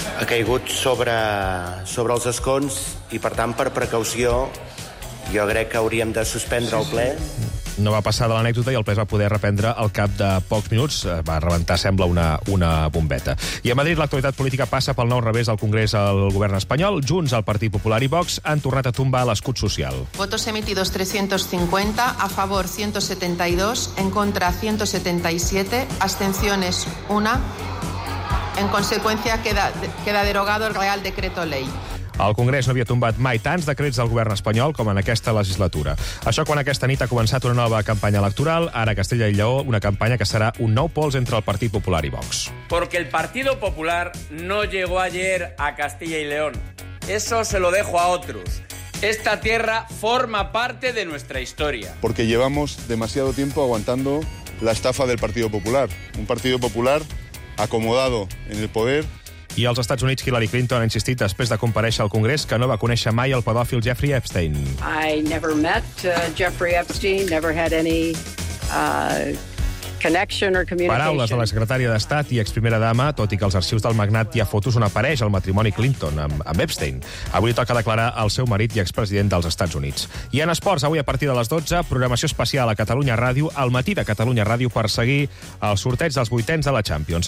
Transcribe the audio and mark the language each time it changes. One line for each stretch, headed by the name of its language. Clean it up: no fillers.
Catalan: Ha caigut sobre els escons i, per tant, per precaució, jo crec que hauríem de suspendre el ple. No va passar de l'anècdota i el ple es va poder reprendre al cap de pocs minuts. Va rebentar, sembla, una bombeta. I a Madrid l'actualitat política passa pel nou revés del Congrés al govern espanyol. Junts, el Partit Popular i Vox han tornat a tombar l'escut social.
Spanish: Votos emitidos 350, a favor 172, en contra 177, abstenciones 1.
Catalan: En conseqüència,
Spanish: queda derogado el Real Decreto Ley.
Catalan: El Congrés no havia tombat mai tants decrets del govern espanyol com en aquesta legislatura. Això quan aquesta nit ha començat una nova campanya electoral, ara a Castella i Lleó, una campanya que serà un nou pols entre el Partit Popular i Vox.
Spanish: Porque el Partido Popular no llegó ayer a Castilla y León. Eso se lo dejo a otros. Esta tierra forma parte de nuestra historia. Porque llevamos demasiado tiempo aguantando la estafa del Partido Popular. Un Partido Popular acomodado en el poder.
Catalan: I als Estats Units, Hillary Clinton ha insistit després de comparèixer al Congrés que no va conèixer mai el pedòfil Jeffrey Epstein.
English: I never met Jeffrey Epstein, never had any connection or communication.
Catalan: Paraules de la secretària d'Estat i exprimera dama, tot i que als arxius del magnat hi ha fotos on apareix el matrimoni Clinton amb Epstein. Avui toca declarar el seu marit i expresident dels Estats Units. I en esports, avui a partir de les 12, programació especial a Catalunya Ràdio, al matí de Catalunya Ràdio, per seguir el sorteig dels vuitens de la Champions.